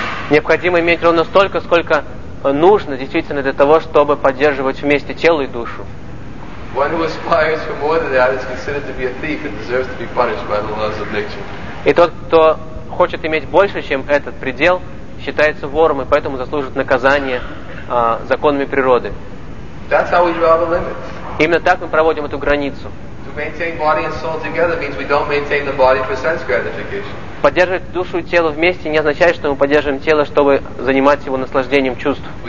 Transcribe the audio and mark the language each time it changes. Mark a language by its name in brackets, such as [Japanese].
[Russian] Необходимо иметь ровно столько, сколько нужно действительно для того, чтобы поддерживать вместе тело и душу. [English] One who aspires for more than that is considered to be a thief and deserves to be punished by the laws of nature. [Russian] И тот, кто хочет иметь больше, чем этот предел, считается вором и поэтому заслужит наказание законами природы. [English] That's how we draw the limit. [Russian] Именно так мы проводим эту границу. [English] To maintain body and soul together means we don't maintain the body for sense gratification. [Russian] Поддерживать душу и тело вместе не означает, что мы поддерживаем тело, чтобы заниматься его наслаждением чувств.